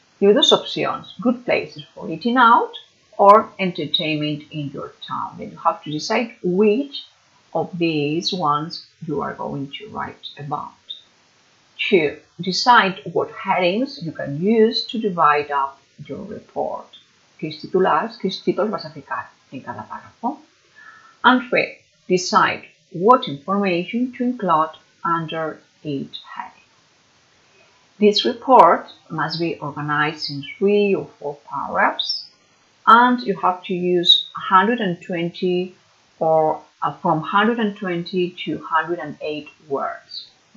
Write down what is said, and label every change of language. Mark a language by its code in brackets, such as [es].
[en] Give those options, good places for eating out or entertainment in your town. Then you have to decide which of these ones you are going to write about. Two, decide what headings you can use to divide up your report. [es] ¿Qué titulares, qué títulos vas a fijar en cada párrafo? [en] And three, decide what information to include under each heading. This report must be organized in 3 or 4 paragraphs, and you have to use 120 or from 120 to 108 words.